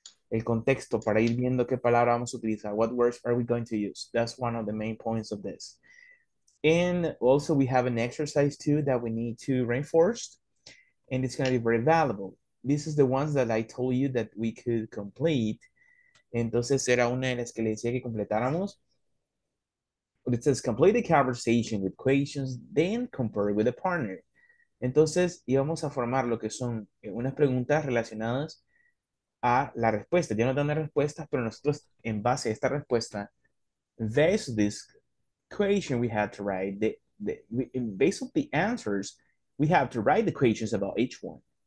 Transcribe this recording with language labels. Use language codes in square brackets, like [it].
[es] El contexto, para ir viendo qué palabra vamos a utilizar, [en] what words are we going to use? That's one of the main points of this. And also we have an exercise too that we need to reinforce, and it's gonna be very valuable. This is the ones that I told you that we could complete. [es] Entonces era una de las que le decía que completáramos. [en] It says complete the conversation with questions, then compare it with a partner. [es] Entonces, íbamos a formar lo que son unas preguntas relacionadas a la respuesta. Ya nos dan las respuestas, pero nosotros, en base a esta respuesta, [en] based on this equation we had to write, based on the answers, we have to write the questions about each one.